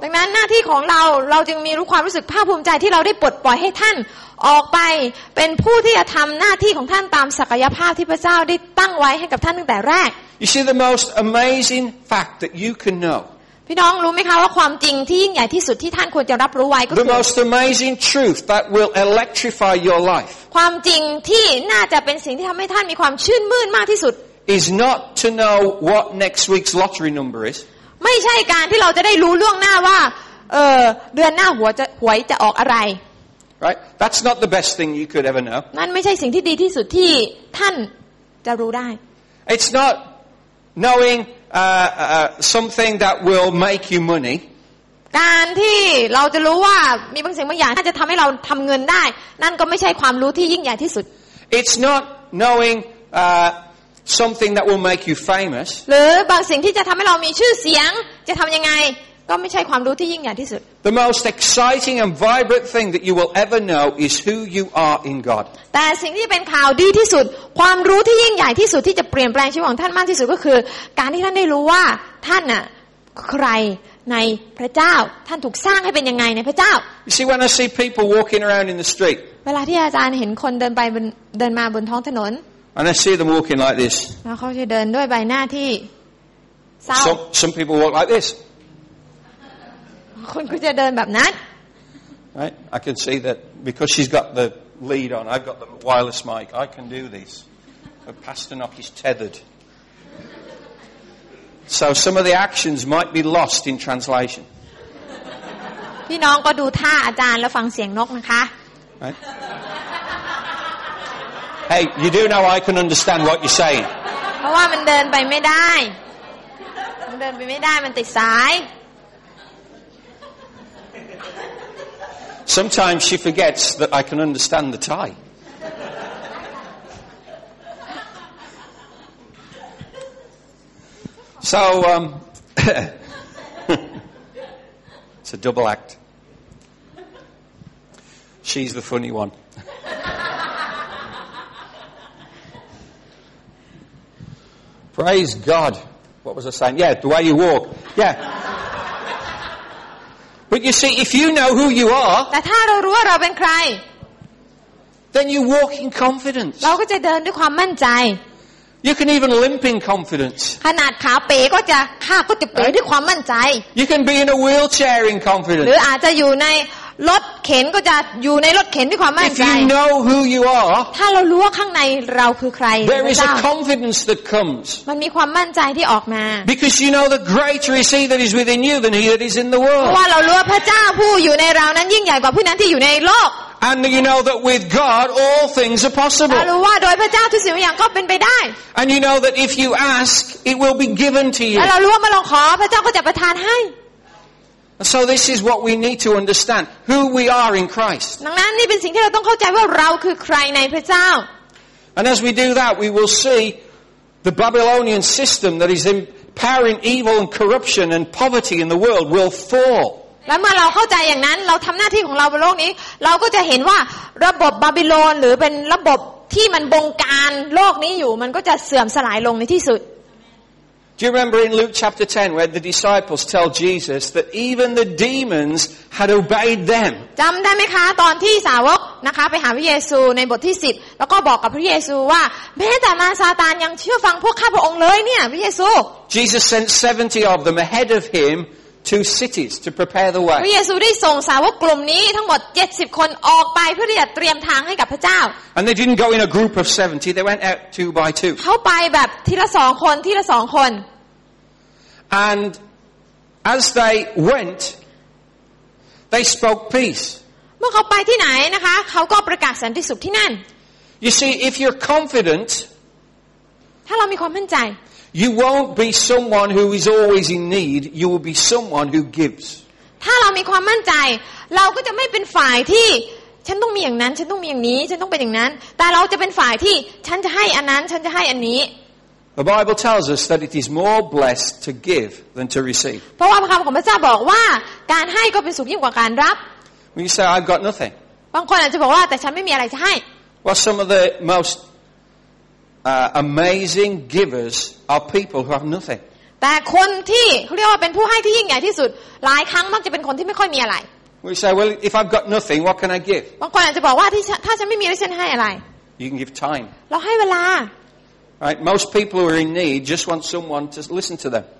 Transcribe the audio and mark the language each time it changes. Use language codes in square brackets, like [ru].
[th] ดังนั้นหน้าที่ของเราเราจึงมีความรู้สึกภาคภูมิใจที่เราได้ปลดปล่อยให้ท่านออกไปเป็นผู้ที่จะทำหน้าที่ของท่านตามศักยภาพที่พระเจ้าได้ตั้งไว้ให้กับท่านตั้งแต่แรก [en] You see the most amazing fact that you can know. [th] พี่น้องรู้ไหมคะว่าความจริงที่ยิ่งใหญ่ที่สุดที่ท่านควรจะรับรู้ไว้ก็คือ [en] The most amazing truth that will electrify your life [th] ความจริงที่น่าจะเป็นสิ่งที่ทำให้ท่านมีความชื่นมื่นมากที่สุด [en] is not to know what next week's lottery number is [th] ไม่ใช่การที่เราจะได้รู้ล่วงหน้าว่าเดือนหน้าหวยจะออกอะไร [en] right that's not the best thing you could ever know [th] นั่นไม่ใช่สิ่งที่ดีที่สุดที่ท่านจะรู้ได้ [en] it's not knowingsomething that will make you money [th] การที่เราจะรู้ว่ามีบางสิ่งบางอย่างที่จะทำให้เราทำเงินได้นั่นก็ไม่ใช่ความรู้ที่ยิ่งใหญ่ที่สุด [en] It's not knowing something that will make you famous [th] หรือบางสิ่งที่จะทำให้เรามีชื่อเสียงจะทำยังไงก็ไม่ใช่ความรู้ที่ยิ่งใหญ่ที่สุด [en] The most exciting and vibrant thing that you will ever know is who you are in God [th] แต่สิ่งที่เป็นข่าวดีที่สุดความรู้ที่ยิ่งใหญ่ที่สุดที่จะเปลี่ยนแปลงชีวิตของท่านมากที่สุดก็คือการที่ท่านได้รู้ว่าท่านน่ะใครในพระเจ้าท่านถูกสร้างให้เป็นยังไงในพระเจ้า [en] You see when I see people walking around in the street [th] เวลาที่อาจารย์เห็นคนเดินไปเดินมาบนท้องถนน [en] And I see them walking like this [th] แล้วเขาจะเดินด้วยใบหน้าที่เศร้า [en] Some people walk like this [th] คนก็จะเดินแบบนั้น [en] Right I can see that because she's got the lead on I've got the wireless mic I can do this but Pastor Nock is tethered so some of the actions might be lost in translation [th] พี่น้องก็ดูท่าอาจารย์แล้วฟังเสียงนกนะคะ [en] Right Hey you do know I can understand what you're saying [th] เพราะว่ามันเดินไปไม่ได้มันเดินไปไม่ได้มันติดสาย [en] Sometimes she forgets that I can understand the Thai. So, it's a double act. She's the funny one. Praise God. What was I saying? Yeah, the way you walk. Yeah. But you see, if you know who you are, [th] แต่ถ้าเรารู้ว่าเราเป็นใคร [en] then you walk in confidence. [th] เราก็จะเดินด้วยความมั่นใจ [en] You can even limp in confidence. [th] ขนาดขาเป๋ก็จะข้าก็จะเป๋ด้วยความมั่นใจ [en] You can be in a wheelchair in confidence. [th] หรืออาจจะอยู่ในรถเข็นก็จะอยู่ในรถเข็นด้วยความมั่นใจ [en] If you know who you are, [th] ถ้าเรารู้ว่าข้างในเราคือใคร [en] there is a confidence that comes. [th] มันมีความมั่นใจที่ออกมา [en] Because you know the greater is He that is within you than He that is in the world. [th] เพราะว่าเรารู้ว่าพระเจ้าผู้อยู่ในเรานั้นยิ่งใหญ่กว่าผู้นั้นที่อยู่ในโลก [en] And you know that with God, all things are possible. [th] เรารู้ว่าโดยพระเจ้าทุกสิ่งทุกอย่างก็เป็นไปได้ [en] And you know that if you ask, it will be given to you. [th] เรารู้ว่าเมื่อเราขอพระเจ้าก็จะประทานให้ [en] So this is what we need to understand who we are in Christ. [th] ดังนั้นนี่เป็นสิ่งที่เราต้องเข้าใจว่าเราคือใครในพระเจ้า [en] And as we do that we will see the Babylonian system that is empowering evil and corruption and poverty in the world will fall. [th] และเมื่อเราเข้าใจอย่างนั้นเราทําหน้าที่ของเราบนโลกนี้เราก็จะเห็นว่าระบบบาบิโลนหรือเป็นระบบที่มันบงการโลกนี้อยู่มันก็จะเสื่อมสลายลงในที่สุด [en] Do you remember in Luke chapter 10 where the disciples tell Jesus that even the demons had obeyed them? [th] จำได้ไหมคะตอนที่สาวกนะคะไปหาพระเยซูในบทที่10แล้วก็บอกกับพระเยซูว่าแม้แต่มารซาตานยังเชื่อฟังพวกข้าพระองค์เลยเนี่ยพระเยซู [en] Jesus sent 70 of them ahead of him to cities to prepare the way. [th] พระเยซูได้ส่งสาวกกลุ่มนี้ทั้งหมด70คนออกไปเพื่อที่จะเตรียมทางให้กับพระเจ้า [en] And they didn't go in a group of 70. They went out 2 by 2. [th] เขาไปแบบทีละ2คนทีละ2คน [en] And as they went, they spoke peace. [th] เมื่อเขาไปที่ไหนนะคะเขาก็ประกาศสันติสุขที่นั่น [en] You see, if you're confident, [th] ถ้าเรามีความมั่นใจ [en] you won't be someone who is always in need. You will be someone who gives. [th] ถ้าเรามีความมั่นใจเราก็จะไม่เป็นฝ่ายที่ฉันต้องมีอย่างนั้นฉันต้องมีอย่างนี้ฉันต้องเป็นอย่างนั้นแต่เราจะเป็นฝ่ายที่ฉันจะให้อันนั้นฉันจะให้อันนี้ [en] The Bible tells us that it is more blessed to give than to receive. [th] เพราะว่าคำของพระเจ้าบอกว่าการให้ก็เป็นสุขยิ่งกว่าการรับ [en] When you say I've got nothing. [th] บางคนอาจจะบอกว่าแต่ฉันไม่มีอะไรจะให้ [en] Well, some of the most amazing givers are people who have nothing. [th] แต่คนที่เขาเรียกว่าเป็นผู้ให้ที่ยิ่งใหญ่ที่สุดหลายครั้งมักจะเป็นคนที่ไม่ค่อยมีอะไร [en] We say, well, if I've got nothing, what can I give? [th] บางคนอาจจะบอกว่าถ้าฉันไม่มีแล้วฉันให้อะไร [en] You can give time. [th] เราให้เวลา [en] Right, most people who are in need just want someone to listen to them.